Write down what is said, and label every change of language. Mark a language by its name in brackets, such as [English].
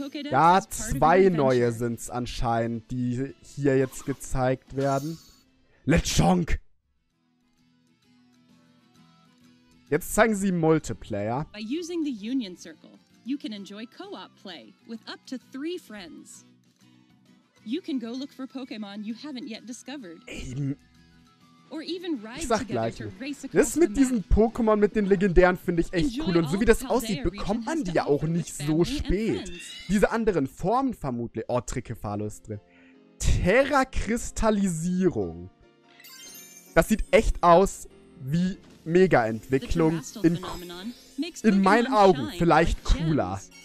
[German] Ja, zwei neue sind's anscheinend, die hier jetzt gezeigt werden. Lechonk! Jetzt zeigen sie Multiplayer. [English] By using the Union Circle, you can enjoy co-op play with up to three friends. You can go look for Pokémon you haven't yet discovered. Or even ride together to race across. [German] Das mit diesen Pokémon mit den legendären finde ich echt cool, und so wie das aussieht, bekommt man die ja auch nicht so spät. Diese anderen Formen vermutlich. Oh, Trikephalos ist drin. Terrakristallisierung. Das sieht echt aus wie Mega Entwicklung in meinen Augen vielleicht cooler.